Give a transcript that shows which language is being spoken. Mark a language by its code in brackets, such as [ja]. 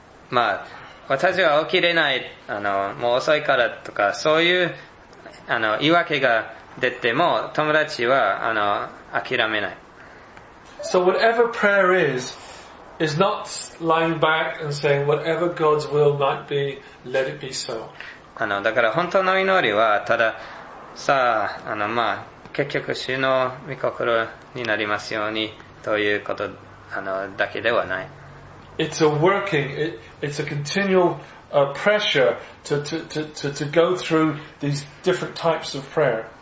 [ja] まあ、私は起きれない、もう遅いからとか、そういう、言い訳が出ても、友達は、諦めない。 [en] So whatever prayer is not lying back and saying whatever God's will might be, let it be so. [ja] だから本当の祈りはたださあまあ結局主の御心になりますようにということだけではない。 [en] It's a working, it's a continual pressure to go through these different types of prayer.